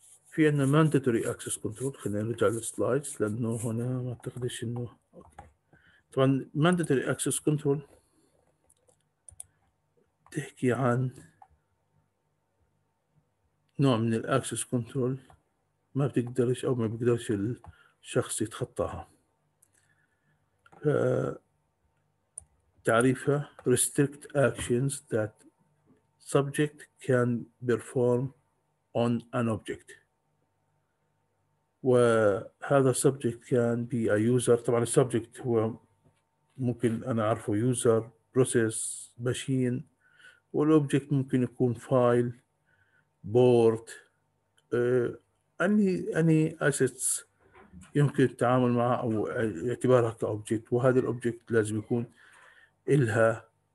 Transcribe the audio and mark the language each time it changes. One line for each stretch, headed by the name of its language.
Arabic: في أنه mandatory access control، خلينا نرجع للسلايدز لأنه هنا ما أعتقدش أنه طبعا mandatory access control تحكي عن نوع من الاكسس كنترول ما بتقدرش او ما بيقدرش الشخص يتخطاها.
English: تعريفها restrict actions that subject can perform on an object، وهذا subject can be a user.
Arabic: طبعا subject هو ممكن انا اعرفه user, process, machine، والأوبجكت ممكن يكون فايل، بورت، أني أسيتس يمكن التعامل معها أو اعتبارها كأوبجكت، وهذا الأوبجكت لازم يكون إلها